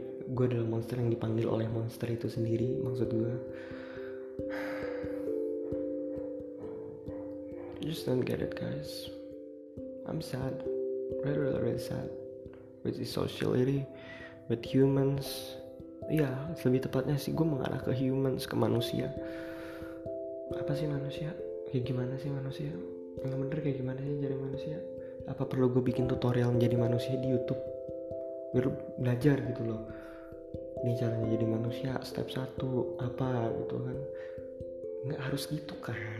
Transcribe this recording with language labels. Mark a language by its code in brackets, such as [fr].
[id] Gue adalah monster yang dipanggil oleh monster itu sendiri. Maksud gue, [en] I just don't get it guys. I'm sad, really really really sad with this society, with humans. [id] Ya, yeah, lebih tepatnya sih gue mengarah ke humans, ke manusia. Apa sih manusia? Kayak gimana sih manusia? Enggak bener kayak gimana sih jadi manusia? Apa perlu gue bikin tutorial menjadi manusia di YouTube? Biar belajar gitu loh. Ini caranya jadi manusia, step 1 apa gitu kan. Nggak harus gitu kan.